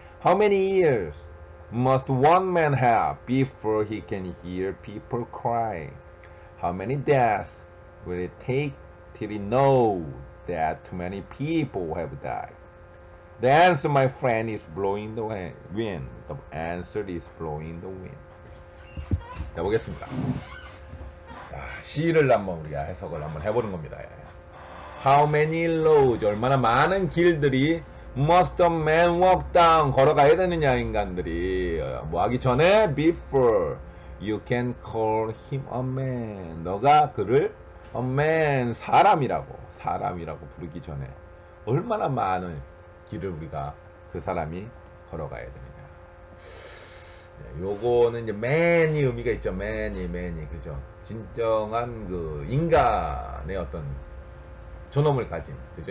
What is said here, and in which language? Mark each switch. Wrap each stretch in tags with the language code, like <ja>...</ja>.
<en>How many ears must one man have before he can hear people cry? How many deaths will it take till he knows that too many people have died? The answer, my friend, is blowing the wind. The answer is blowing the wind.</en> <ko>자, 보겠습니다. 자, 시를 한번 우리가 해석을 한번 해보는 겁니다.</ko> <en>How many roads,</en> <ko>얼마나 많은 길들이</ko> <en>must a man walk down,</en> <ko>걸어가야 되느냐, 인간들이. 뭐 하기 전에,</ko> <en>before you can call him a man.</en> <ko>너가 그를 a man, 사람이라고 부르기 전에 얼마나 많은 길을 우리가 그 사람이 걸어가야 되느냐. 네, 요거는 이제 man이 의미가 있죠. man이, 그죠. 진정한 그 인간의 어떤 존엄을 가진, 그죠.</ko>